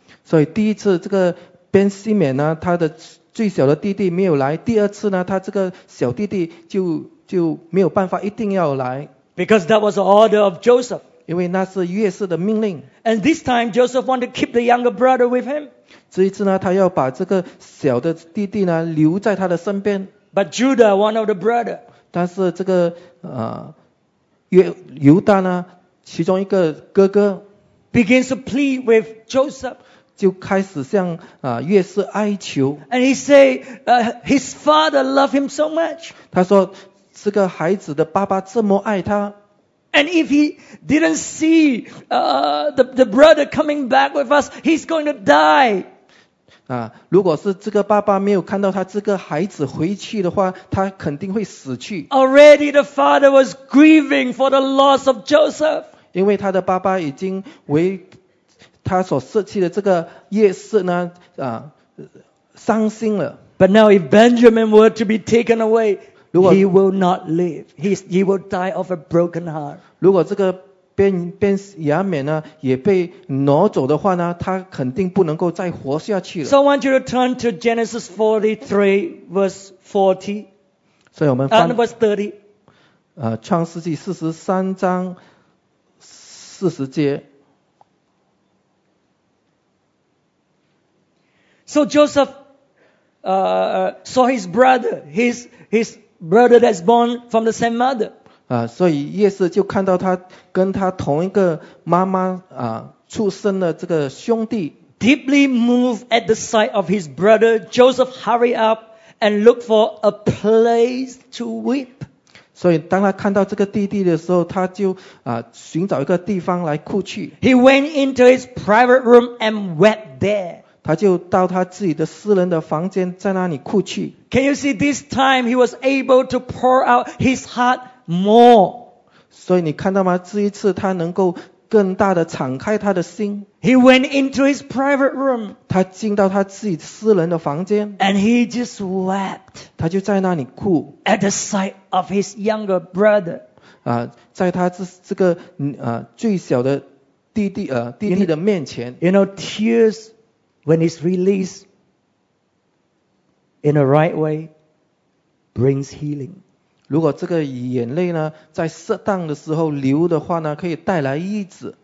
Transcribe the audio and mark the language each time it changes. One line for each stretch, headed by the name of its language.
Chinese: 所以第一次这个边西缅呢，他的最小的弟弟没有来，第二次呢，他这个小弟弟就没有办法，一定要来。
English: Because that was the order of Joseph.
Chinese: 因为那是约瑟的命令。
English: And this time Joseph wanted to keep the younger brother with him.
Chinese: 这一次呢，他要把这个小的弟弟呢留在他的身边。
English: But Judah, one of the brother.
Chinese: 但是这个犹大呢，其中一个哥哥
English: begins to plead with Joseph.
Chinese: 就开始向约瑟哀求。
English: And he say, his father loved him so much.
Chinese: 他说。这个孩子的爸爸这么爱他
English: ，And if he didn't see the brother coming back with us, he's going to die.
Chinese: 如果是这个爸爸没有看到他这个孩子回去的话，他肯定会死去。
English: Already the father was grieving for the loss of Joseph.
Chinese: 因为他的爸爸已经为他所失去的这个约瑟呢伤心了。
English: But now if Benjamin were to be taken away. He will not live. He will die of a broken heart.
Chinese: 如果这个边雅缅呢也被挪走的话呢，他肯定不能够再活下去了。
English: So I want you to turn to Genesis 43 verse 40.
Chinese: 所以我们翻
English: verse 30.
Chinese: 创世纪四十三章四十节。
English: So Joseph saw his brother, his brother that's born from the same mother.
Chinese: 所以约瑟就看到他跟他同一个妈妈出生的这个兄弟。
English: Deeply moved at the sight of his brother, Joseph hurried up and looked for a place to weep.
Chinese: 所以当他看到这个弟弟的时候，他就寻找一个地方来哭去。
English: He went into his private room and wept there.
Chinese: 他就到他自己的私人的房间，在那里哭泣。
English: Can you see this time he was able to pour out his heart more?
Chinese: 所以你看到吗？这一次他能够更大的敞开他的心。
English: He went into his private room.
Chinese: 他进到他自己私人的房间。
English: And he just wept.
Chinese: 他就在那里哭。
English: At the sight of his younger brother.
Chinese: 在他这个最小的弟弟的面前。
English: You know, tears. When it's released in the right way, brings healing.
Chinese: 如果这个眼泪呢，在适当的时候流的话呢，可以带来医治。